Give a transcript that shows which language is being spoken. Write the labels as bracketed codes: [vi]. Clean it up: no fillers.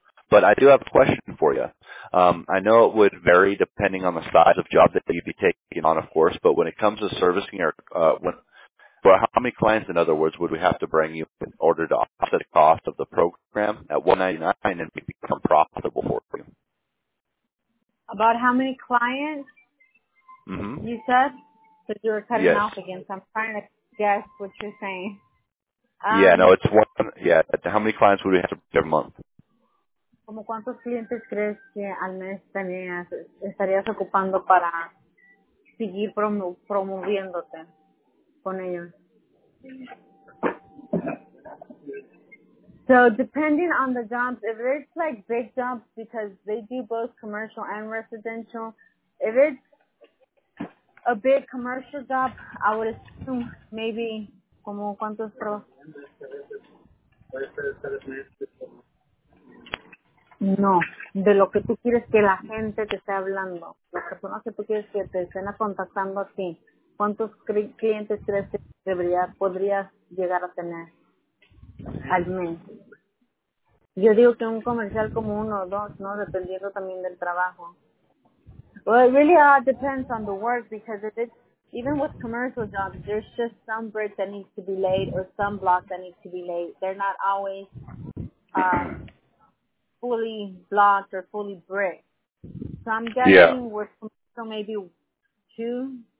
[en] But I do have a question for you. I know it would vary depending on the size of job that you'd be taking on, of course, but when it comes to servicing your, how many clients, in other words, would we have to bring you in order to offset the cost of the program at $199 and become profitable for you? About how many clients you said? Because you were cutting yes. off again, so I'm trying to guess what you're saying. How many clients would we have to bring every month? [es] ¿Cómo cuántos clientes crees que al mes tenías, estarías ocupando para seguir promoviéndote con ellos? [en] So, depending on the jobs, if it's like big jobs, because they do both commercial and residential, if it's a big commercial job, I would assume maybe, [es] ¿cómo cuántos pro? No, de lo que tú quieres que la gente te esté hablando, las personas que tú quieres que te estén contactando a ti, ¿cuántos clientes crees que podrías llegar a tener al mes? Yo digo que un comercial como uno o dos, ¿no? Dependiendo también del trabajo. [en] Well, it really depends on the work, because if it's, even with commercial jobs, there's just some bridge that needs to be laid or some block that needs to be laid. They're not always... fully blocked or fully brick. So I'm guessing with maybe two.